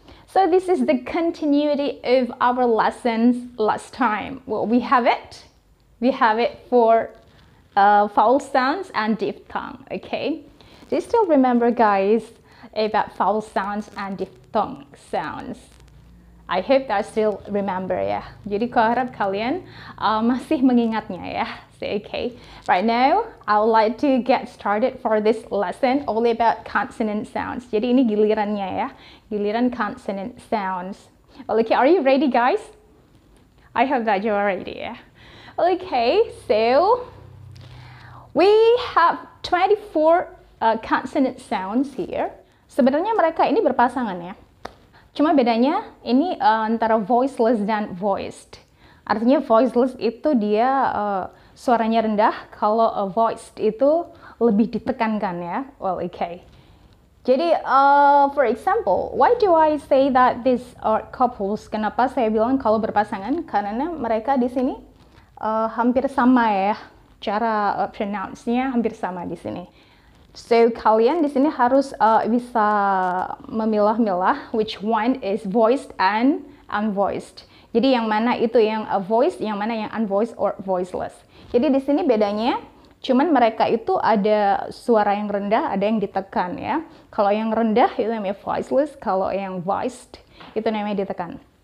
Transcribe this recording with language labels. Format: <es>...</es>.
<en>So this is the continuity of our lessons last time. Well, we have it. We have it for vowel sounds and diphthong, okay? Do you still remember, guys, about vowel sounds and diphthong sounds? I hope that I still remember, yeah?</en> <id>Jadi, aku harap kalian masih mengingatnya, yeah?</id> <en>So, okay. Right now, I would like to get started for this lesson all about consonant sounds.</en> <id>Jadi, ini gilirannya, yeah?</id> <en>Giliran consonant sounds. Well, okay, are you ready, guys? I hope that you are ready, yeah? Well, okay, so we have 24 consonant sounds here.</en> <id>Sebenarnya mereka ini berpasangan ya. Cuma bedanya ini antara voiceless dan voiced. Artinya voiceless itu dia suaranya rendah, kalau voiced itu lebih ditekankan ya. Well, okay.</id> <en>Jadi, for example, why do I say that these are couples?</en> <id>Kenapa saya bilang kalau berpasangan? Karena mereka di sini hampir sama ya. Cara pronounce-nya hampir sama di sini. So, kalian di sini harus bisa memilah-milah</id> <en>which one is voiced and unvoiced.</en> <id>Jadi, yang mana itu yang voiced, yang mana yang unvoiced or voiceless. Jadi, di sini bedanya cuman mereka itu ada suara yang rendah, ada yang ditekan ya. Kalau yang rendah itu namanya voiceless, kalau yang voiced itu namanya ditekan.</id>